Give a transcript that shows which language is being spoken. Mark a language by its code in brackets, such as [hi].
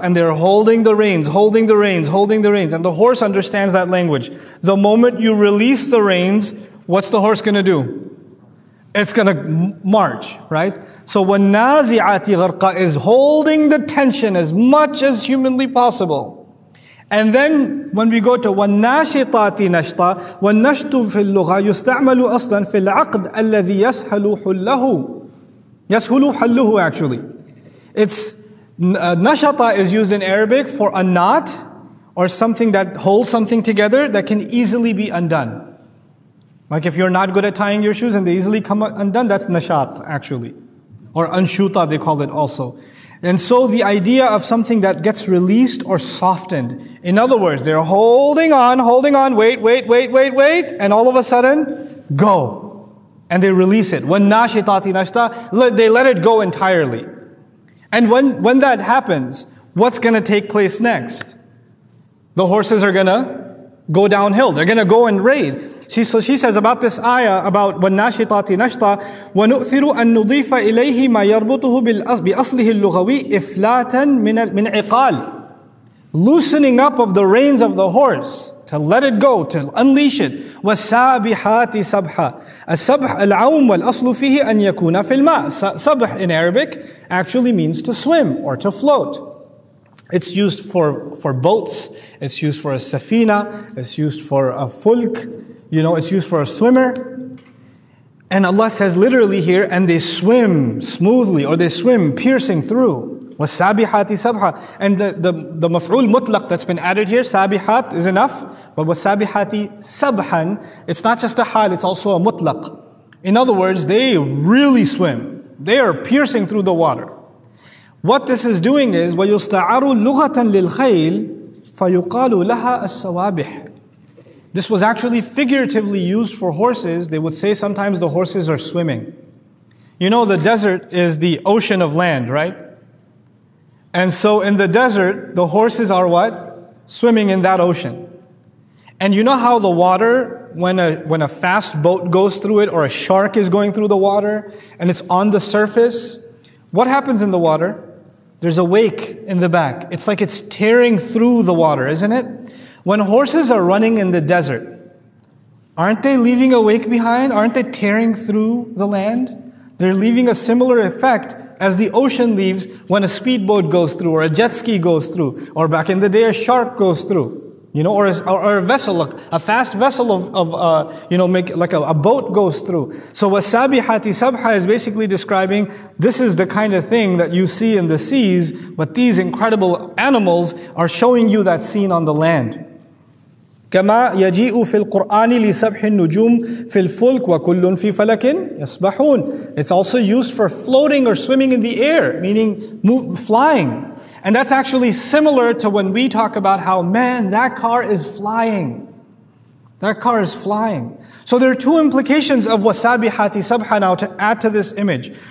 [en] And they're holding the reins, holding the reins, holding the reins. And the horse understands that language. The moment you release the reins, what's the horse going to do? It's going to march, right? So when Nazi'ati Gharqa is holding the tension as much as humanly possible. And then when we go to [ar] وَالنَّاشِطَاتِ نَشْطَى وَالنَّشْطُ فِي اللُّغَى يُسْتَعْمَلُ أَصْلًا فِي الْعَقْدِ أَلَّذِي يَسْحَلُ حُلَّهُ يَسْحُلُ حَلُّهُ actually. [en] It's nashata is used in Arabic for a knot or something that holds something together that can easily be undone. Like if you're not good at tying your shoes and they easily come undone, that's nashat actually. Or anshuta they call it also. And so the idea of something that gets released or softened. In other words, they're holding on, wait. And all of a sudden, go. And they release it. When nashitati nashta, they let it go entirely. And when that happens, what's going to take place next? The horses are going to go downhill. They're going to go and raid. So she says about this ayah, about [ar] وَالنَّاشِطَاتِ نَشْطَى وَنُؤْثِرُ أَن نُضِيفَ إِلَيْهِ مَا يَرْبُطُهُ بِأَصْلِهِ اللُّغَوِي إِفْلَاتًا مِنْ عِقَالِ. [en] Loosening up of the reins of the horse, to let it go, to unleash it. [ar] وَالسَّابِحَاتِ سَبْحَ. السَّبْحَ الْعَوْمُ وَالْأَصْلُ فِيهِ أَن يَكُونَ فِي الْمَاءِ. [en] Sabh in Arabic actually means to swim or to float. It's used for boats, it's used for a safina, it's used for a fulk. You know, it's used for a swimmer. And Allah says literally here, and they swim smoothly, or they swim piercing through. [ar] وَالسَّابِحَاتِ سَبْحَ. [en] And the maf'ul mutlaq that's been added here, sabihat is enough. But [ar] وَالسَّابِحَاتِ سَبْحًا, [en] it's not just a hal, it's also a mutlaq. In other words, they really swim. They are piercing through the water. What this is doing is, [ar] وَيُسْتَعَرُ لُغَةً لِلْخَيْلِ فَيُقَالُ لَهَا السَّوَابِحِ. [en] This was actually figuratively used for horses. They would say sometimes the horses are swimming. You know, the desert is the ocean of land, right? And so in the desert, the horses are what? Swimming in that ocean. And you know how the water, when a fast boat goes through it, or a shark is going through the water, and it's on the surface, what happens in the water? There's a wake in the back. It's like it's tearing through the water, isn't it? When horses are running in the desert, aren't they leaving a wake behind? Aren't they tearing through the land? They're leaving a similar effect as the ocean leaves when a speedboat goes through, or a jet ski goes through, or back in the day a shark goes through, you know, or a vessel, a fast vessel of a boat goes through. So wasabihati sabha is basically describing this is the kind of thing that you see in the seas, but these incredible animals are showing you that scene on the land. [ar] كما يجيء في القرآن لسبح النجوم في الفلك وكل في فلك يسبحون. [en] It's also used for floating or swimming in the air, meaning flying. And that's actually similar to when we talk about how, man, that car is flying. That car is flying. So there are two implications of wasabihati sabha now to add to this image.